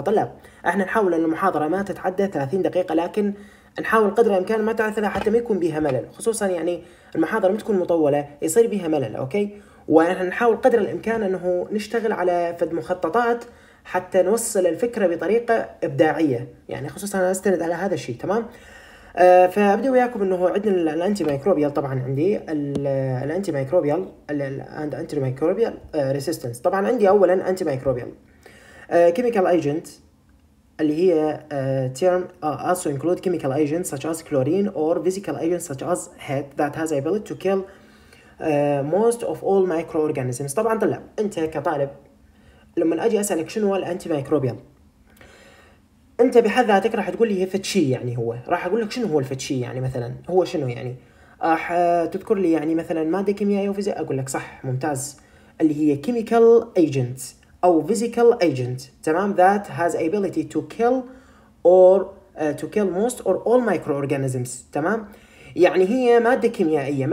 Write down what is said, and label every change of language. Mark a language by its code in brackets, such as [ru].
[ar] طلاب احنا نحاول ان المحاضرة ما تتعدى 30 دقيقة، لكن نحاول قدر الامكان ما تعثرها حتى ما يكون بيها ملل، خصوصا يعني المحاضرة ما تكون مطولة يصير بيها ملل، اوكي؟ واحنا نحاول قدر الامكان انه نشتغل على فد مخططات حتى نوصل الفكرة بطريقة ابداعية، يعني خصوصا انا استند على هذا الشيء، تمام؟ فابدا وياكم انه عندنا الانتي مايكروبيال. طبعا عندي الانتي مايكروبيال اند انتي مايكروبيال ريسيستنس. طبعا عندي اولا انتي مايكروبيال كيميكال ايجنت اللي هي تيرم [en] also include chemical agents such as chlorine or physical agents such as heat that has ability to kill most of all microorganisms. [ar] طبعا طلاب انت كطالب لما اجي اسالك شنو الانتي مايكروبيال، انت بحد ذاتك راح تقول لي هي فتشي، يعني هو راح اقول لك شنو هو الفتشي، يعني مثلا هو شنو، يعني راح تذكر لي يعني مثلا ماده كيميائيه وفيزياء، اقول لك صح ممتاز، اللي هي كيميكال ايجنت او فيزيكال ايجنت، تمام، [en] that has ability to kill or to kill most or all microorganisms, [ar] تمام، يعني هي ماده كيميائيه.